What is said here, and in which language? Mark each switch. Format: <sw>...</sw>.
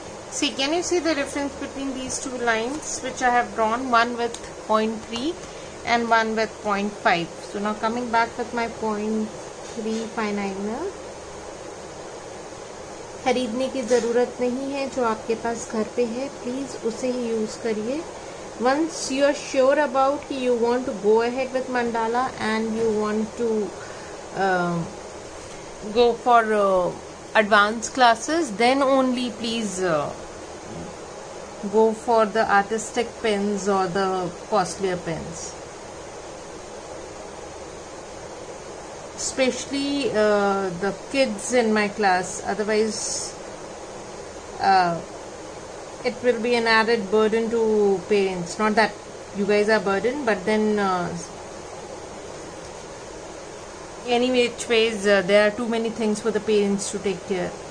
<en>See, can you see the difference between these two lines which I have drawn, one with 0.3 and one with 0.5. So now coming back with my 0.3 finiteness.</en> <hi>खरीदने की ज़रूरत नहीं है, जो आपके पास घर पे है प्लीज़ उसे ही यूज़ करिए.</hi> <en>Once you are sure about कि you want to go ahead with mandala and you want to go for advance classes, then only please go for the artistic pens और the costlier pens. Especially the kids in my class, otherwise it will be an added burden to parents. Not that you guys are burdened, but then anyways, there are too many things for the parents to take care.</en>